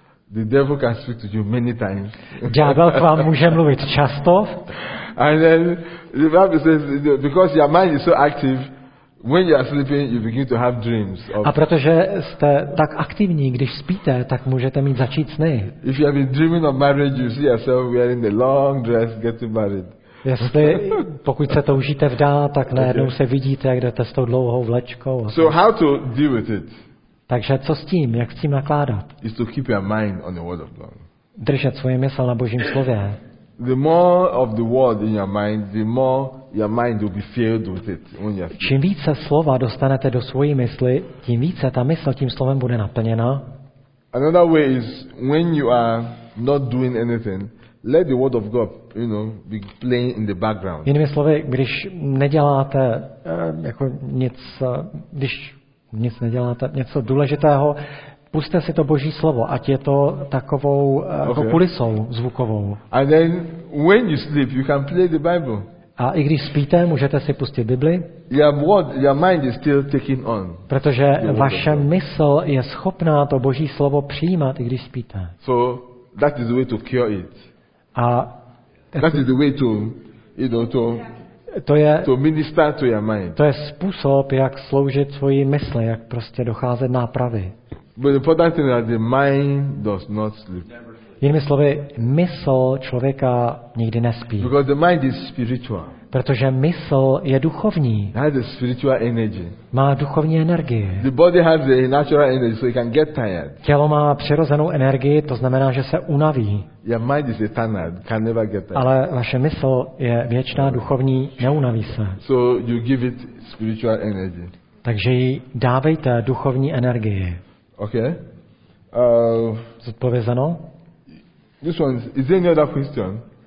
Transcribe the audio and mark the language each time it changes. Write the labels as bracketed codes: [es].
[en] The devil can speak to you many times. [cs] Ďábel k vám může mluvit často. [en] And then the Bible says because your mind is so active, when you are sleeping, you begin to have dreams. [cs] A protože jste tak aktivní, když spíte, tak můžete mít začít sny. [en] If you have been dreaming of marriage, you see yourself wearing a long dress, getting married. [cs] Jestli, pokud se toužíte vdát, tak najednou se vidíte, jak jdete s tou dlouhou vlečkou. [en] So how to deal with it? [cs] Takže co s tím? Jak s tím nakládat? [en] Is to keep your mind on the word of God. [cs] Držet svoje mysl na Božím slově. [en] The more of the word in your mind, the more your mind will be filled with it. [cs] Čím více slova dostanete do svojí mysli, tím více ta mysl tím slovem bude naplněna. [en] Another way is when you are not doing anything, let the word of God, you know, be playing in the background. [cs] Jinými slovy, když neděláte jako nic, když nic neděláte, něco důležitého, puste si to Boží slovo, ať je to takovou jako kulisou zvukovou. [en] And then when you sleep, you can play the Bible. [cs] A i když spíte, můžete si pustit Bibli. [en] Your mind is still taking on. [cs] Protože vaše mysl je schopná to Boží slovo přijímat, i když spíte. [en] So that is the way to cure it. [cs] A [en] that is the way to, you know, to. To minister to your mind. [cs] To je způsob, jak sloužit svoji mysli, jak prostě docházet nápravy. [en] But the important thing is that the mind does not sleep. [cs] Jinými slovy, mysl člověka nikdy nespí. [en] Because the mind is spiritual. [cs] Protože mysl je duchovní. [en] Has a spiritual energy. [cs] Má duchovní energii. [en] The body has a natural energy, so it can get tired. [cs] Tělo má přirozenou energii, to znamená, že se unaví. [en] Your mind is eternal, can never get tired. [cs] Ale vaše mysl je věčná, duchovní, neunaví se. [en] So you give it spiritual energy. [cs] Takže jí dávejte duchovní energii. Okay. Zodpovězeno? [en] This one is there any other question?